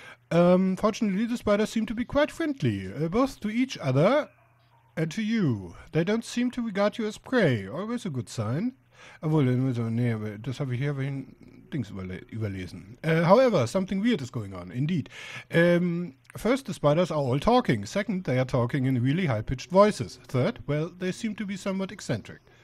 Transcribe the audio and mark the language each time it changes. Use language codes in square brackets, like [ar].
[en] Fortunately, the spiders seem to be quite friendly, both to each other and to you. They don't seem to regard you as prey. Always a good sign. [de] Obwohl, nee, aber das habe ich hier wegen Dings überlesen. [en] However, something weird is going on, indeed. First, the spiders are all talking. Second, they are talking in really high-pitched voices. Third, well, they seem to be somewhat eccentric.